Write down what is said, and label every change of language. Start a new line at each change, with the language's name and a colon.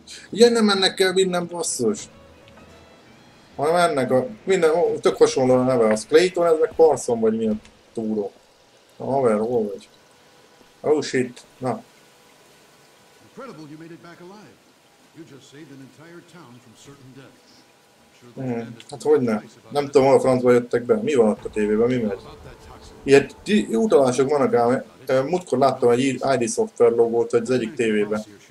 Hungarian: Igen, nem ennek kell vinnem, basszus. Hanem ennek a... Minden, tök hasonló a neve, az Clayton, ez meg Carson, vagy milyen túró. Na, haver, hol vagy? Oh shit, na.
English: Incredible, you made it back alive. You just saved an entire town from certain death.
Hungarian: Hát hogyne. Nem tudom, hol a francba jöttek be. Mi van ott a tévében? Mi megy? Ilyen utalások vannak ám. Múltkor láttam egy ID Software logót az egyik tévében.